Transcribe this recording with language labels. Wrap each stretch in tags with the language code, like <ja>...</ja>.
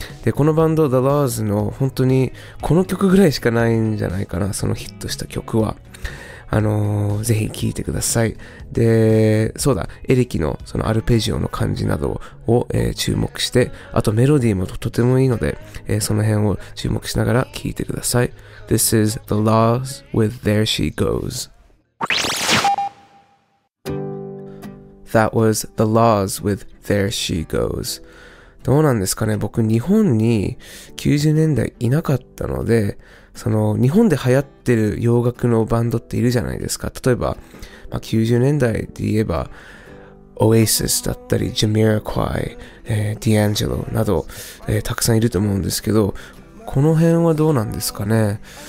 <ja>で、このバンド The Lars の本当にこの曲ぐらいしかないんじゃないかな、そのヒットした曲は。ぜひ聴いてください。で、そうだ、エレキのそのアルペジオの感じなどを、注目して、あとメロディーも とてもいいので、その辺を注目しながら聴いてください。</ja> <en>This is The Lars with There She Goes. That was The Lars with There She Goes.</en> <ja>どうなんですかね、僕日本に90年代いなかったので、その日本で流行ってる洋楽のバンドっているじゃないですか。例えば、まあ、90年代で言えばオアシスだったりジャミラクワイ、ディアンジェロなど、たくさんいると思うんですけど、この辺はどうなんですかね。</ja>